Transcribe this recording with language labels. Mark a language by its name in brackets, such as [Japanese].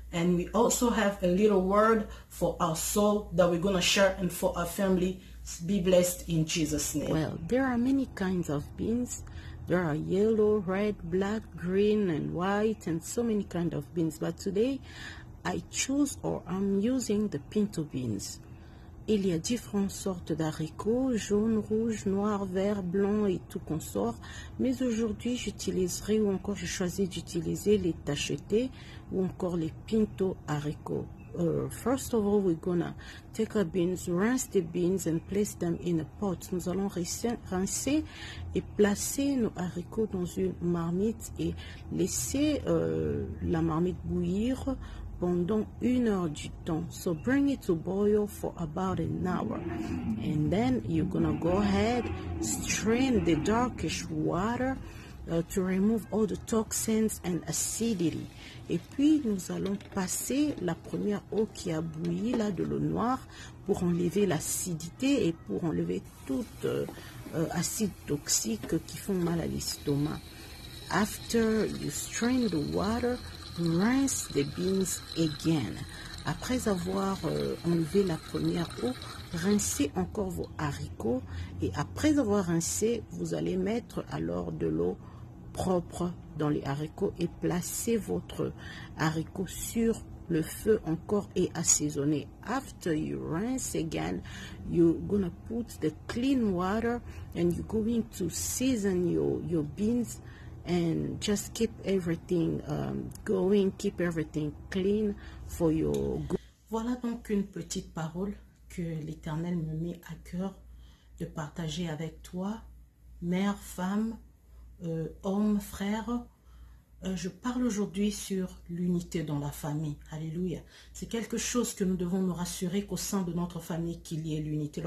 [English] And we also have a little word for our soul that we're gonna share, and for our family. Be blessed in Jesus' name. Well, there are many kinds of beans. There are yellow, red, black, green, and white, and so many kind of beans. But today I choose, or I'm using, the pinto beans. [French] Il y a différentes sortes d'haricots, jaune, rouge, noir, vert, blanc et tout consort. Mais aujourd'hui, j'utiliserai, ou encore je choisis d'utiliser, les tachetés ou encore les pinto haricots. [English] First of all, we're gonna take our beans, rinse the beans and place them in a pot. [French] Nous allons rincer et placer nos haricots dans une marmite et laisser la marmite bouillir pendant une heure du temps. [English] So bring it to boil for about an hour, and then you're gonna go ahead, strain the darkish water to remove all the toxins and acidity. [French] Et puis nous allons passer la première eau qui a bouilli là, de l'eau noire, pour enlever l'acidité et pour enlever tout acide toxique qui font mal à l'estomac. [English] After you strain the water, rinse the beans again. [French] Après avoir enlevé la première eau, rincez encore vos haricots. Et après avoir rincé, vous allez mettre alors de l'eau propre dans les haricots et placez votre haricot sur le feu encore et assaisonné. [English] After you rinse again, you're gonna put the clean water and you're going to season your beans. And just keep everything going, keep everything clean for your good. [French] Voilà donc une petite parole que l'Éternel me met à cœur de partager avec toi, mère, femme, homme, frère. Je parle aujourd'hui sur l'unité dans la famille. Alléluia. C'est quelque chose que nous devons nous rassurer qu'au sein de notre famille, qu'il y ait l'unité.